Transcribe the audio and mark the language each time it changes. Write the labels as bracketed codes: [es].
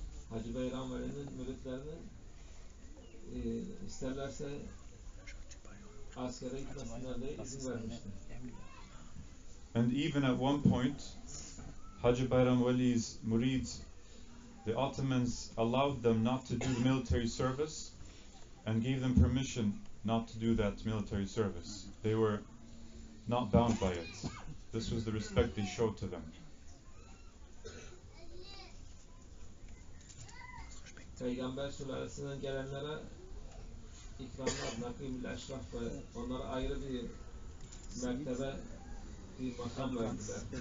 [tr] Hacı Beyram Veli'nin müritlerini isterlerse askere gitmesinler diye izin vermişti. [en] And even at one point, Hacı Bayram Veli's murids, the Ottomans allowed them not to do the military service and gave them permission not to do that military service. They were not bound by it. This was the respect they showed to them. [tr] Peygamber sülalesinden gelenlere ikramlar, nakimül eşraf ve onlara ayrı bir mertebe bir makam verdiler.